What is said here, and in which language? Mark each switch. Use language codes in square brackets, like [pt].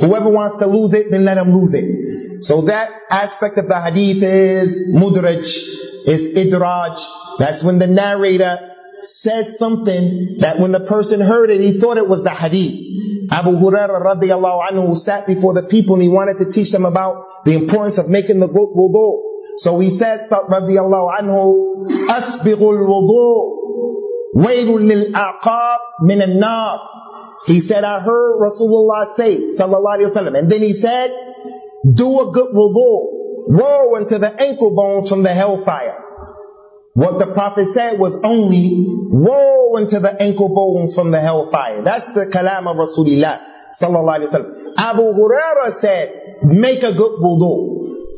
[en] Whoever wants to lose it, then let him lose it. So that aspect of the hadith is mudraj, is idraj. That's when the narrator says something that when the person heard it, he thought it was the hadith. Abu Huraira radiallahu anhu sat before the people and he wanted to teach them about the importance of making the wudu. So he says, radiallahu anhu, [ar] أَسْبِغُ الْوُضُوءُ وَيْلٌ لِلْأَعْقَابِ مِنَ النَّارِ. [en] He said, I heard Rasulullah say, sallallahu alayhi wa sallam. And then he said, do a good wudu. Woe unto the ankle bones from the hellfire. What the Prophet said was only, woe unto the ankle bones from the hellfire. That's the kalam of Rasulullah, sallallahu alayhi wa sallam. Abu Huraira said, make a good wudu.